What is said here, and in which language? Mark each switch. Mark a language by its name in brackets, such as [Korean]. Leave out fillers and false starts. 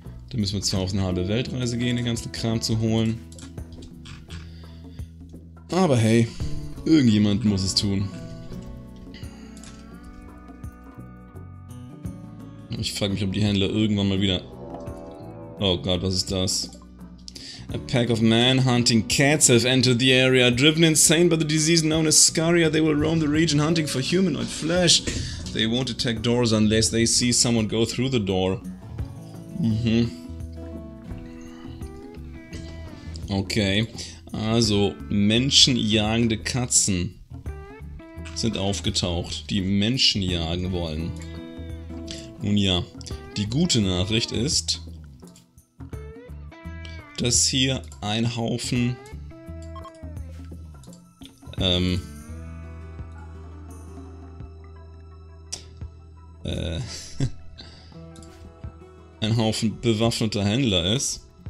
[German] Da müssen wir zwar auf eine halbe Weltreise gehen, den ganzen Kram zu holen. Aber hey, irgendjemand muss es tun. Ich frage mich, ob die Händler irgendwann mal wieder... Oh Gott, was ist das? [English] A pack of man-hunting cats have entered the area. Driven insane by the disease known as Scaria, they will roam the region hunting for humanoid flesh. They won't attack doors unless they see someone go through the door. [German] Okay, also menschenjagende Katzen sind aufgetaucht, die Menschen jagen wollen. Nun ja, die gute Nachricht ist, dass hier ein Haufen ein Haufen bewaffneter Händler ist.